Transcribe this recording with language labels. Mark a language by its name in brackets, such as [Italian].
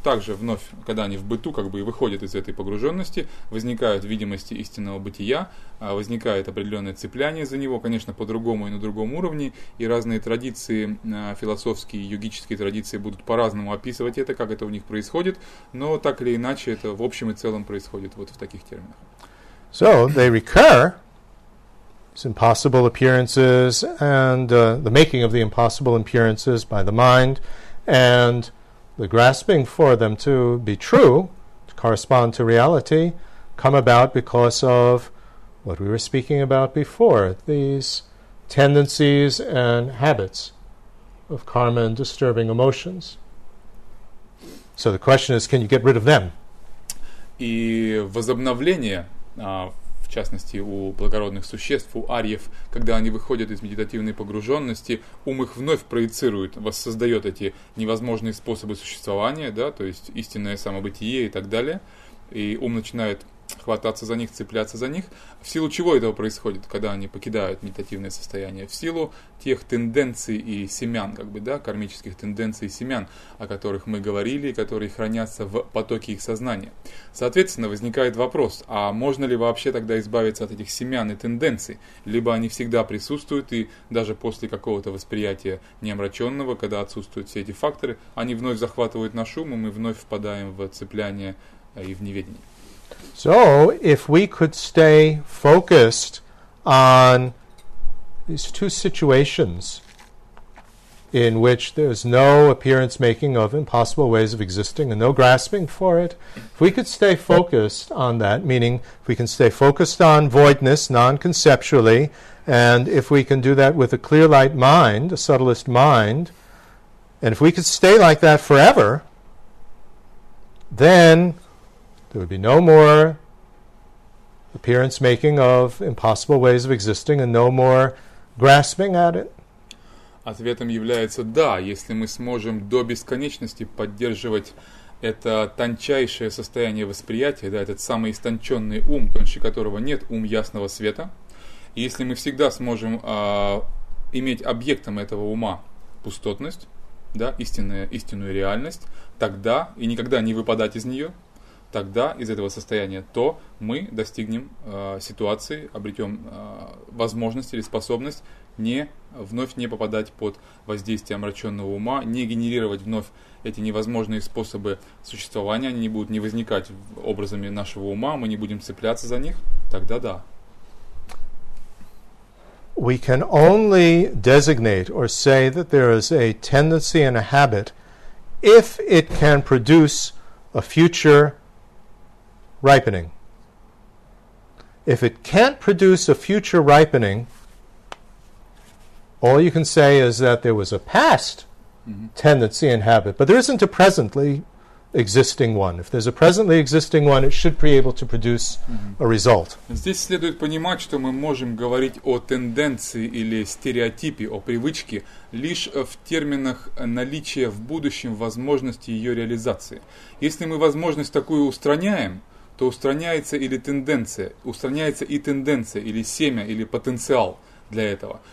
[Russian] Также вновь, когда они в быту, как бы и выходят из этой погруженности, возникают видимости истинного бытия, возникает определенное цепляние за него, конечно, по-другому и на другом уровне, и разные традиции, философские и йогические традиции будут по-разному описывать это, как это у них происходит, но так или иначе это в общем и целом происходит вот в таких терминах. [English] So they recur, these impossible appearances and the making of the impossible appearances by the mind and the grasping for them to be true, to correspond to reality, come about because of what we were speaking about before, these tendencies and habits of karma and disturbing emotions. So the question is, can you get rid of them? [Russian] И возобновление, в частности, у благородных существ, у арьев, когда они выходят из медитативной погруженности, ум их вновь проецирует, воссоздает эти невозможные способы существования, да, то есть истинное самобытие и так далее, и ум начинает хвататься за них, цепляться за них. В силу чего этого происходит, когда они покидают медитативное состояние? В силу тех тенденций и семян, как бы, да, кармических тенденций и семян, о которых мы говорили, которые хранятся в потоке их сознания. Соответственно, возникает вопрос, а можно ли вообще тогда избавиться от этих семян и тенденций? Либо они всегда присутствуют, и даже после какого-то восприятия неомраченного, когда отсутствуют все эти факторы, они вновь захватывают наш ум, и мы вновь впадаем в цепляние и в неведение. [English] So, if we could stay focused on these two situations in which there's no appearance making of impossible ways of existing and no grasping for it, if we could stay focused on that, meaning if we can stay focused on voidness non-conceptually, and if we can do that with a clear light mind, a subtlest mind, and if we could stay like that forever, then there would be no more appearance making of impossible ways of existing and no more grasping at it. [Russian] Ответом является да, если мы сможем до бесконечности поддерживать это тончайшее состояние восприятия, да, этот самый истонченный ум, тоньше которого нет, ум ясного света, и если мы всегда сможем иметь объектом этого ума пустотность, да, истинную реальность, тогда и никогда не выпадать из нее, тогда из этого состояния, то мы достигнем ситуации, обретем возможность или способность не вновь не попадать под воздействие омраченного ума, не генерировать вновь эти невозможные способы существования, они не будут не возникать образами нашего ума, мы не будем цепляться за них, тогда да. [English] We can only designate or say that there is a tendency and a habit if it can produce a future ripening. If it can't produce a future ripening, all you can say is that there was a past tendency and habit, but there isn't a presently existing one. If there's a presently existing one, it should be able to produce a result. [Russian] Здесь следует понимать, что мы можем говорить о тенденции или стереотипе, о привычке, лишь в терминах наличия в будущем возможности ее реализации. Если мы возможность такую устраняем, то устраняется или тенденция, устраняется и тенденция, или семя, или потенциал для этого.